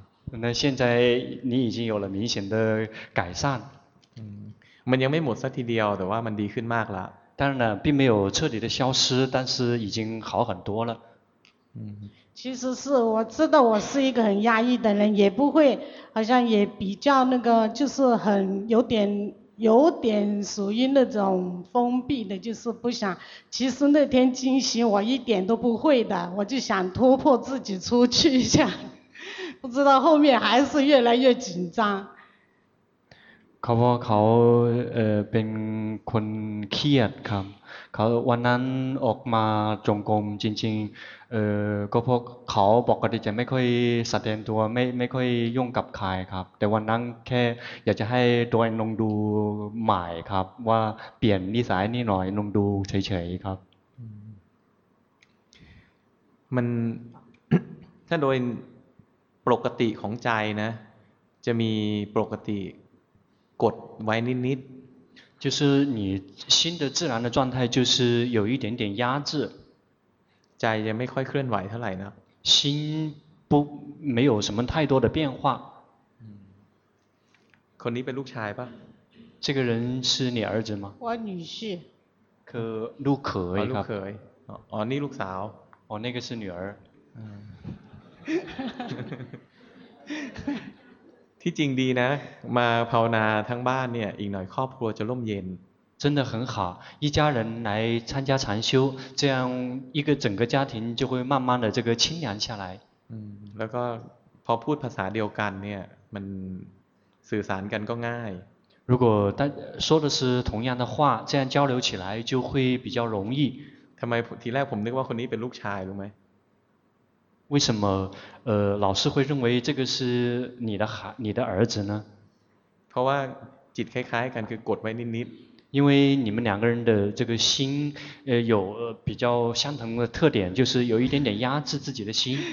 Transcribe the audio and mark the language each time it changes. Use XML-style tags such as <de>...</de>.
<zh>那现在你已经有了明显的改善。嗯，</zh> <th>มันยังไม่หมดสักทีเดียวแต่ว่ามันดีขึ้นมากละ</th> <zh>当然了，并没有彻底的消失，但是已经好很多了。嗯，其实是我知道我是一个很压抑的人，也不会，好像也比较那个，就是很有点属于那种封闭的，就是不想。其实那天惊喜我一点都不会的，我就想突破自己出去一下，不知道后面还是越来越紧张。</zh> <th>เขาบอกเขาเป็นคนเครียดครับเขาวันนั้นออกมาจงกรมจริงๆก็พวกเขาปกติจะไม่ค่อยแสดงตัวไม่ค่อยยุ่งกับใครครับแต่วันนั้นแค่อยากจะให้ตัวเองลงดูใหม่ครับว่าเปลี่ยนนิสัยนิดหน่อยลงดูเฉยๆครับ มันถ้าโดยปกติของใจนะจะมีปกติกดไว้นิด</th> <zh>ๆ就是你心的自然的状态就是有一点点压制</zh> <th>ใจยังไม่ค่อยเคลื่อนไหวเท่าไหร่นะ</th> <zh>心不没有什么太多的变化</zh> <th>คนนี้เป็นลูกชายป่ะ</th> <zh>这个人是你儿子吗我女婿</zh> <th>คือลูกเขยครับ ลูกเขยอ๋อนี่ลูกสาว</th> <zh>อ๋อ那个是女儿</zh> <th>ที่จริงดีนะมาภาวนาทั้งบ้านเนี่ยอีกหน่อยครอบครัวจะร่มเย็น</th> <zh>真的很好一家人来参加禅修这样一个整个家庭就会慢慢的这个清凉下来</zh> <th>แล้วก็พอพูดภาษาเดียวกันเนี่ยมันสื่อสารกันก็ง่าย</th> <zh>如果他说的是同样的话这样交流起来就会比较容易</zh> <th>ทำไมทีแรกผมนึกว่าคนนี้เป็นลูกชายรู้ไหม</th> <zh>为什么老师会认为这个是你的儿子呢</zh> <th>เพราะว่าจิตคล้ายๆกันคือกดไว้นิด</th> <zh>ๆ因为你们两个人的这个心有比较相同的特点就是有一点点压制自己的心</zh>